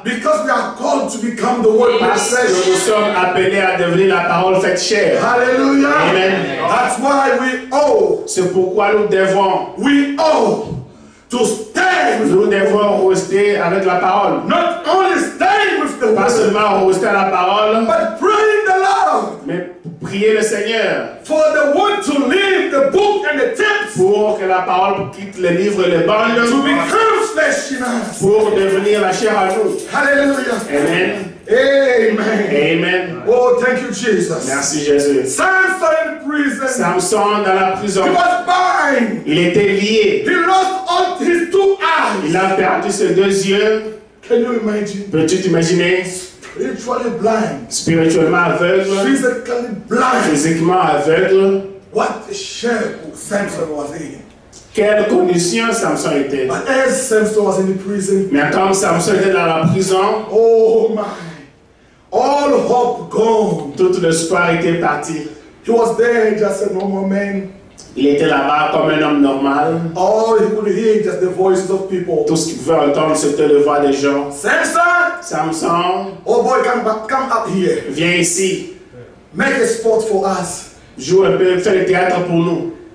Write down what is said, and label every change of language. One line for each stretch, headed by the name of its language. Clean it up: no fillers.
English: Because we are called to become the word by flesh.
French: Nous sommes appelés à devenir la parole faite chair.
English: Hallelujah.
French: Amen.
English: That's why we owe.
French: C'est pourquoi nous devons.
English: We owe to stay.
French: Nous devons rester avec la parole.
English: Not only stay with the word.
French: Pas seulement rester à la parole.
English: But pray the Lord.
French: Mais prier le Seigneur.
English: For the word to leave the book and the text.
French: Pour que la parole quitte les livres et les bandes.
English: To become flesh in us.
French: Pour devenir la chair à nous.
English: Hallelujah.
French: Amen.
English: Amen.
French: Amen.
English: Oh, thank you, Jesus.
French: Merci, Jésus.
English: Samson in prison.
French: Samson dans la prison.
English: He was blind.
French: Il était lié.
English: He lost all his two eyes.
French: Il a perdu ses deux yeux.
English: Can you imagine?
French: Peux-tu t'imaginer?
English: Spiritually blind.
French: Spirituellement aveugle.
English: Physically blind.
French: Physiquement aveugle.
English: What a shame Samson was in.
French: Quelle condition Samson était?
English: But as Samson was in the prison.
French: Mais quand Samson était dans la prison.
English: Oh my. All hope gone.
French: Tout l'espoir était parti.
English: He was there just a normal man.
French: Il était là-bas comme un homme normal.
English: All he could hear just the voices of people.
French: Tout ce qu'il pouvait entendre, c'était le voix des gens.
English: Samson!
French: Samson!
English: Oh boy, come up here.
French: Viens ici.
English: Make a spot for us.
French: Joue un peu, fais le théâtre pour nous.